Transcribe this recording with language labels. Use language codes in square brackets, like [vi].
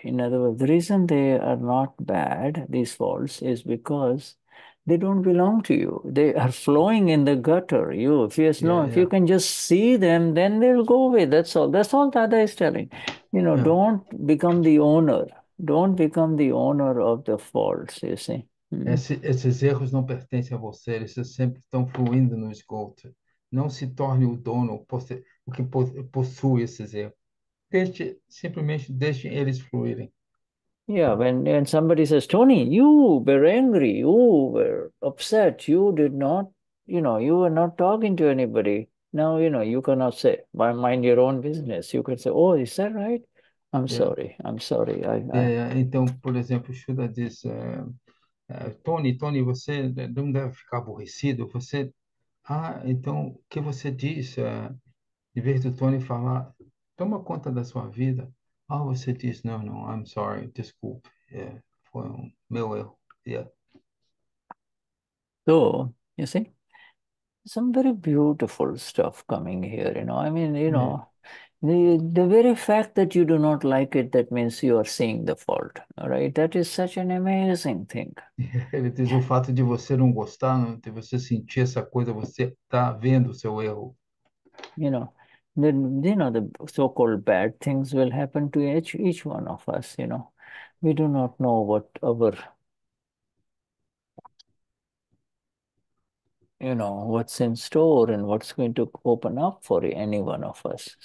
[en] In other words, the reason they are not bad, these faults, is because they don't belong to you. They are flowing in the gutter. You, if you, know, if you can just see them, then they'll go away. That's all. That's all Dada is telling. You know, don't become the owner. Don't become the owner of the faults, you see. [pt] Esses erros não pertencem a você, eles sempre estão fluindo no esgoto. Não se torne o dono, o que possui esses erros. Deixe, simplesmente deixe eles fluírem. [en] Yeah, when somebody says, Tony, you were angry, you were upset, you did not, you know, you were not talking to anybody. Now, you know, you cannot say, mind your own business. You can say, oh, is that right? I'm sorry. [pt] Então, por exemplo, Shuddha diz, Tony, você não deve ficar aborrecido. Você, então, o que você diz? Em vez do Tony falar, toma conta da sua vida. Ah, você diz, não, [en] I'm sorry, [pt] desculpe. Foi um meu erro. [en] So, you see, some very beautiful stuff coming here, you know. I mean, you know, the very fact that you do not like it, that means you are seeing the fault, all right? That is such an amazing thing. [pt] Ele diz, o fato de você não gostar, de você sentir essa coisa, você está vendo o seu erro. [en] You know, the so-called bad things will happen to each one of us, you know. We do not know what our, you know, what's in store and what's going to open up for any one of us.